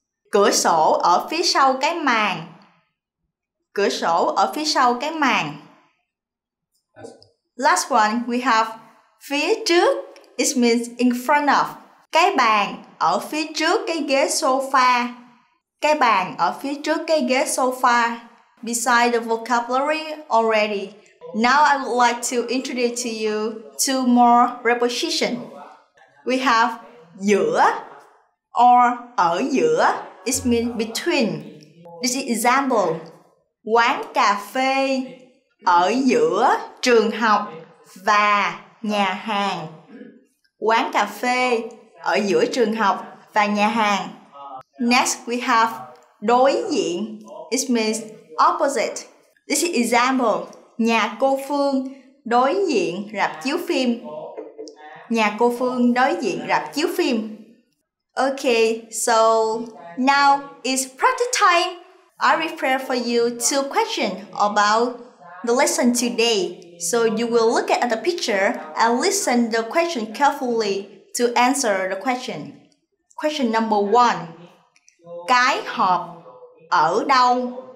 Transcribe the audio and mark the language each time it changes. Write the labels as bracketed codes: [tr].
[vi] Cửa sổ ở phía sau cái màn. Cửa sổ ở phía sau cái màn. [en] Last one, we have phía trước, it means in front of. [vi] Cái bàn ở phía trước cái ghế sofa. Cái bàn ở phía trước cái ghế sofa. [en] Beside the vocabulary already, now I would like to introduce to you two more reposition. We have giữa or ở giữa, it means between. This is example. [vi] Quán cà phê ở giữa trường học và nhà hàng. Quán cà phê ở giữa trường học và nhà hàng. [en] Next we have đối diện, it means opposite. This is example. [vi] Nhà cô Phương đối diện rạp chiếu phim. Nhà cô Phương đối diện rạp chiếu phim. [en] Okay, so now is practice time. I prepare for you two questions about the lesson today. So you will look at the picture and listen the question carefully to answer the question. Question number one. [vi] Cái hộp ở đâu?